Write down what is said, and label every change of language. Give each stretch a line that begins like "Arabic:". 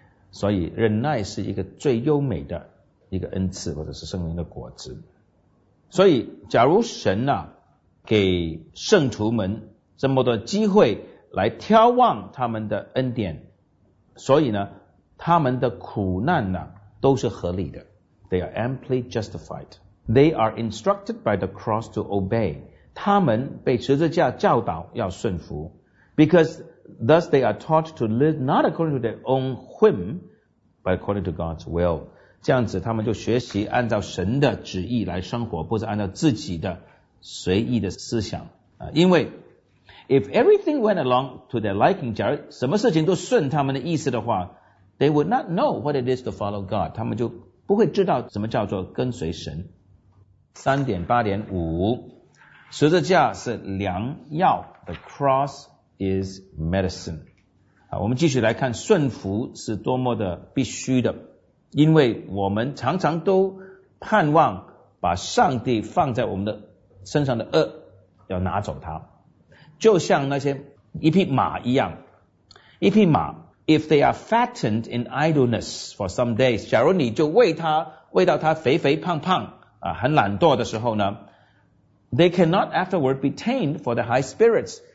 Chinese: 所以忍耐是一个最优美的一个恩赐或者是圣灵的果子。所以假如神啊给圣徒们这么多机会来眺望他们的恩典，所以呢他们的苦难呢都是合理的。
English: They are amply justified. They are instructed by the cross to obey.
Chinese: 他们被十字架教导要顺服，
English: becauseThus they are taught to live not according to their own whim, but according to God's will.
Chinese: 这样子他们就学习按照神的旨意来生活，不是按照自己的随意的思想。
English: 因为 if everything went along to their liking,
Chinese: 假如什么事情都顺他们的意思的话，
English: they would not know what it is to follow God.
Chinese: 他们就不会知道什么叫做跟随神。
English: 3.8.5
Chinese: 十字架是良药，
English: the cross is medicine.
Chinese: 好，我们继续来看顺服是多么的必须的，因为我们常常都盼望把上帝放在我们的身上的恶要拿走它，就像那些一匹马一样，一匹马
English: if they are fattened in idleness for some days，
Chinese: 假如你就喂它，喂到它肥肥胖胖啊，很懒惰的时候呢，
English: they cannot afterward be tamed for the high spirits，